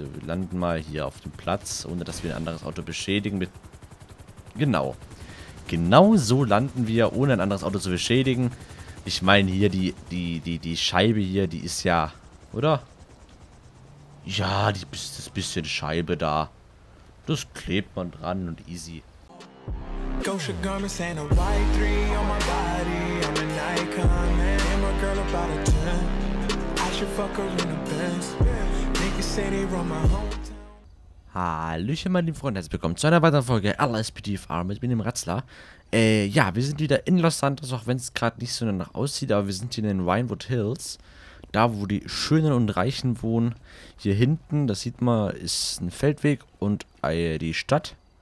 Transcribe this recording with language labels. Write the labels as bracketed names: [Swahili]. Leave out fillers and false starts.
[German] Wir landen mal hier auf dem Platz, ohne dass wir ein anderes Auto beschädigen. Genau. Genau so landen wir, ohne ein anderes Auto zu beschädigen. Ich meine hier, die Scheibe hier, die ist ja, oder? Ja, die ist das bisschen Scheibe da. Das klebt man dran und easy. [English] Gosha garments and a white three on my body. I'm an icon, man, and my girl about a 10. I should fuck her in the Benz. Niggas say they run my home. [German] Hallöchen, meine lieben Freunde, herzlich willkommen zu einer weiteren Folge LSPDFR mit mir, dem Ratzler. Ja, wir sind wieder in Los Santos, auch wenn es gerade nicht so danach aussieht, aber wir sind hier in den Vinewood Hills, da wo die Schönen und Reichen wohnen. Hier hinten, das sieht man, ist ein Feldweg und die Stadt.